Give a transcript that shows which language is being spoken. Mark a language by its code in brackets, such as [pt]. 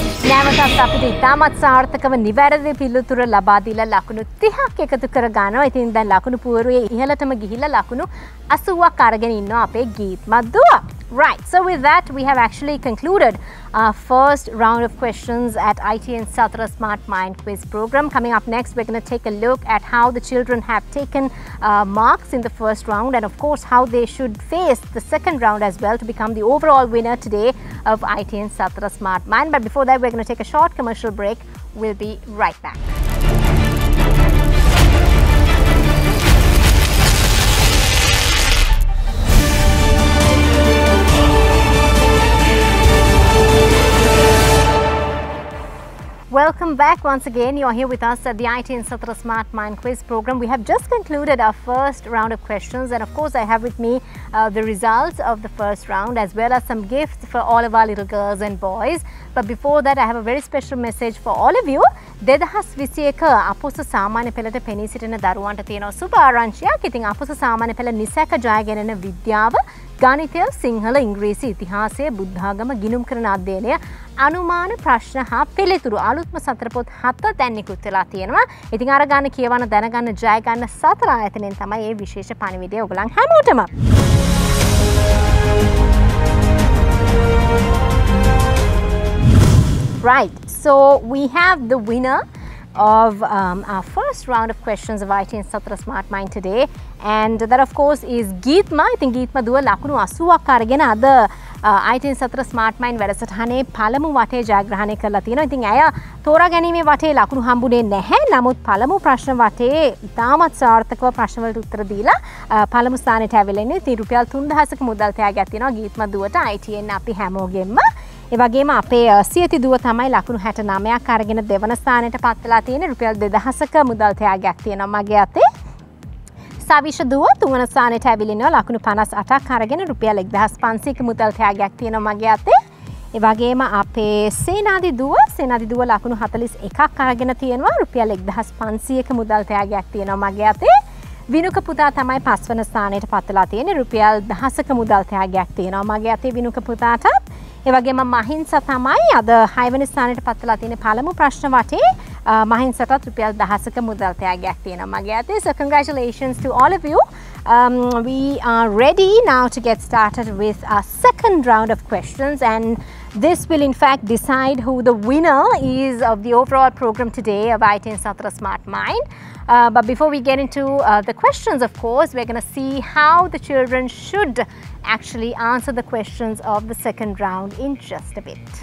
[si] නැවතත් අපිට ඉතාමත් සාර්ථකව නිවැරදි පිළිතුර ලබා දීලා ලකුණු 30ක් එකතු කර ගන්නවා. ඉතින් දැන් ලකුණු පුවරුවේ ඉහළටම ගිහිල්ලා ලකුණු 80ක් අරගෙන ඉන්නවා අපේ ගීත්මත් දුව. [en] Right, so with that, we have actually concluded our first round of questions at ITN Satra Smart Mind Quiz program. Coming up next, we're going to take a look at how the children have taken marks in the first round and of course how they should face the second round as well to become the overall winner today of ITN Satra Smart Mind. But before that, we're going to take a short commercial break. We'll be right back. Welcome back once again. You're here with us at the ITN Satra Smart Mind Quiz program. We have just concluded our first round of questions and of course I have with me the results of the first round as well as some gifts for all of our little girls and boys. But before that I have a very special message for all of you. [si] 2021 අපොස සාමාන්‍ය පෙළට පෙනී සිටින දරුවන්ට තියෙන සුබ ආරංචියක්. ඉතින් අපොස සාමාන්‍ය පෙළ නිසැක ජයගැනෙන විද්‍යාව, ගණිතය, සිංහල, ඉංග්‍රීසි, ඉතිහාසය, බුද්ධාගම, ගිණුම් කරන අධ්‍යයනය, අනුමාන ප්‍රශ්න හා පිළිතුරු අලුත්ම සතර පොත් 7 දැන් නිකුත් වෙලා තියෙනවා. ඉතින් අර ගන්න, කියවන, දැනගන්න, ජයගන්න සතර ආයතනයෙන් තමයි මේ විශේෂ පණිවිඩය ඔයගලන් හැමෝටම. [en] Right, so we have the winner of our first round of questions of ITN Satra Smart Mind today. And that of course is Geetma. I think [si] Geetma duwa lakunu 80ක් අරගෙන අද ITN Satra Smart Mind වැඩසටහනේ පළමු වටේ ජයග්‍රහණය කරලා තියෙනවා. ඉතින් ඇය තෝරා ගැනීමේ වටේ ලකුණු හම්බුනේ නැහැ. නමුත් පළමු ප්‍රශ්න වටේ ඉතාමත් සාර්ථකව ප්‍රශ්නවලට උත්තර දීලා පළමු ස්ථානයට ඇවිල්ලා ඉන්නේ. ඉතින් රුපියල් 3000ක මුදල් තියාගත් තියෙනවා Geetma duwata ITN අපි හැමෝගෙම. එවගේම අපේ සියති දුව තමයි ලකුණු 69ක් අරගෙන දෙවන ස්ථානයට පත් වෙලා තියෙන රුපියල් 2000ක මුදල් ත්‍යාගයක් තියෙනවා මගේ අතේ. සවිෂ දුව තුන්වන ස්ථානයට ඇවිලිනවා ලකුණු 58ක් අරගෙන රුපියල් 1500ක මුදල් ත්‍යාගයක් තියෙනවා මගේ අතේ. එවගේම අපේ සේනාදි දුව ලකුණු 41ක් අරගෙන තියෙනවා රුපියල් 1500ක මුදල් ත්‍යාගයක් තියෙනවා මගේ අතේ. විනුක පුතා තමයි පස්වන ස්ථානයට පත් වෙලා තියෙන්නේ රුපියල් 1000ක මුදල් ත්‍යාගයක් තියෙනවා මගේ අතේ විනුක පුතාට. එවගේම මහින්ස තමයි අද 6වෙනි ස්ථානයට පත් වෙලා තියෙන පළමු ප්‍රශ්න වටේ මහින්සටත් රුපියල් 1000ක මුදල් ත්‍යාගයක් තියෙනවා මගේ අතේ. [en] So congratulations to all of you. We are ready now to get started with our second round of questions, and this will in fact decide who the winner is of the overall program today of ITN Smart Mind. But before we get into the questions, of course, we're going to see how the children should actually answer the questions of the second round in just a bit.